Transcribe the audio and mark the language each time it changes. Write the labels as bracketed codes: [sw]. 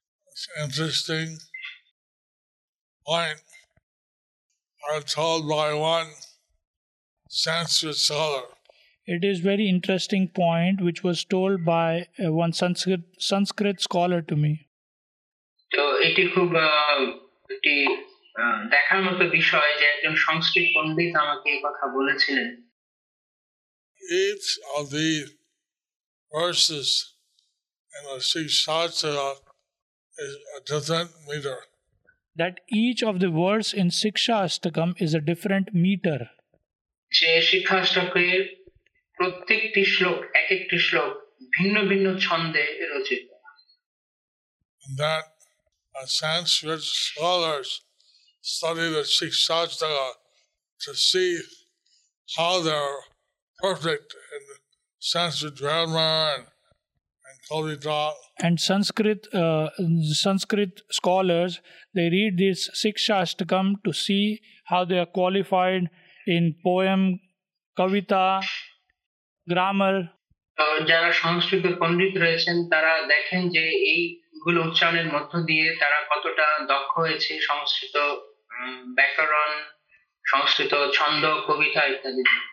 [en] It's an interesting point. I'm told by one Sanskrit scholar. It is very interesting point which was told by one Sanskrit scholar to me. [bn] তো এটি খুব একটি দেখার মতো বিষয় যে একজন সংস্কৃত পণ্ডিত আমাকে এই কথা বলেছিলেন. [en] Each of the verses in the Shikshastra is a different meter. That each of the verses in Shikshastakam is a different meter. [bn] যে শিক্ষাষ্টকের প্রত্যেকটি শ্লোক এক একটি শ্লোক ভিন্ন ভিন্ন ছন্দে রচিত. [en] That Sanskrit scholars study the Shikshastaka to see how they're perfect in Sanskrit grammar and kavita. And Sanskrit scholars, they read this Shikshastakam to see how they are qualified in poem, kavita, grammar. [bn] যারা সংস্কৃত পণ্ডিত রয়েছেন তারা দেখেন যে এই গুলো উচ্চারণের মধ্য দিয়ে তারা কতটা দক্ষ হয়েছে সংস্কৃত ব্যাকরণ, সংস্কৃত ছন্দ, কবিতা ইত্যাদি.